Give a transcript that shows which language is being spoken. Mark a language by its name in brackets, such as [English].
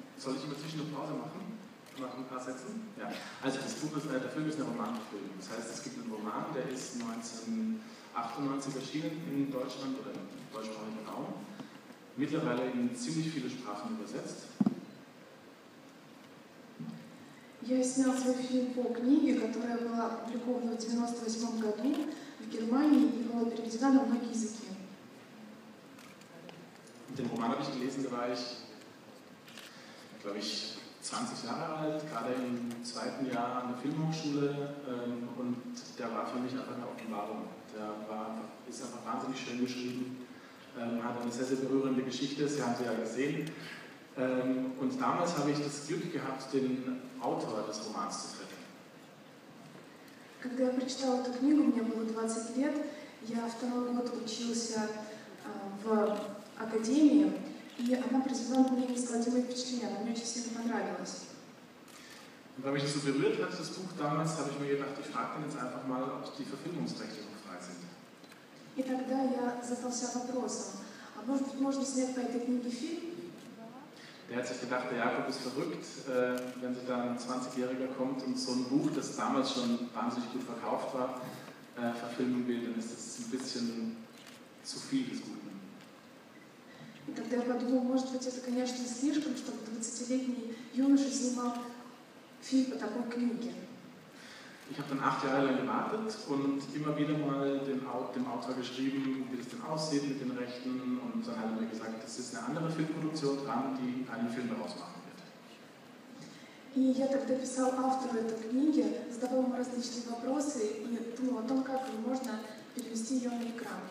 [German] Soll ich inzwischen eine Pause machen? Nach ein paar Sätzen? Ja. Also der Film ist eine Romanverfilmung. Das heißt, es gibt einen Roman, der ist 1998 erschienen in Deutschland oder im deutschsprachigen Raum. Mittlerweile in ziemlich viele Sprachen übersetzt. [Russian] Я снял свой фильм по книге, которая была опубликована в 1998 году в Германии и была переведена на многие языки. [German] Den Roman habe ich gelesen, da war ich, glaube ich, 20 Jahre alt, gerade im zweiten Jahr an der Filmhochschule, und der war für mich einfach eine Offenbarung. Ist einfach wahnsinnig schön geschrieben. Man hat eine sehr, sehr berührende Geschichte, Sie haben sie ja gesehen. Und damals habe ich das Glück gehabt, den Autor des Romans zu treffen. [Russian] Когда я прочитала эту книгу, мне было 20 лет, я второй год учился в академии, и она произвела на меня неизгладимое впечатление, она мне очень сильно понравилась. [German] Weil mich das so berührt hat, das Buch damals, habe ich mir gedacht, ich frage den jetzt einfach mal, ob die Verfilmungsrechte noch frei sind. [Russian] И тогда я задался вопросом, а может быть можно снять по этой книге фильм? [German] Der hat sich gedacht, der Jakob ist verrückt, wenn sich dann ein 20-Jähriger kommt und so ein Buch, das damals schon wahnsinnig gut verkauft war, verfilmen will, dann ist das ein bisschen zu viel des Guten. [Russian] И тогда я подумал, может быть это, конечно, слишком, чтобы 20-летний юноша снимал фильм по такой книге. [German] Ich habe dann 8 Jahre lang gewartet und immer wieder mal dem Autor geschrieben, wie das denn aussieht mit den Rechten. Und dann hat er mir gesagt, das ist eine andere Filmproduktion dran, die einen Film daraus machen wird.